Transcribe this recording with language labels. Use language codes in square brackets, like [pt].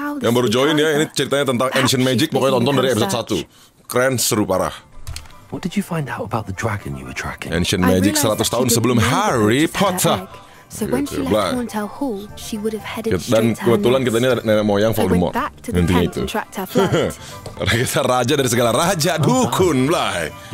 [id] Yang baru join ya, ini ceritanya tentang ancient magic, pokoknya tonton dari episode 1. Keren, seru parah. [en] What did you find out about the dragon you were tracking? [id] Ancient magic 100 tahun sebelum Harry Potter. [en] So when she left Mortal Hall, she would have headed straight to Hogwarts. [id] Dan kebetulan kita ini nenek moyang Voldemort. Intinya itu. Karena kita raja dari segala raja, dukun lah.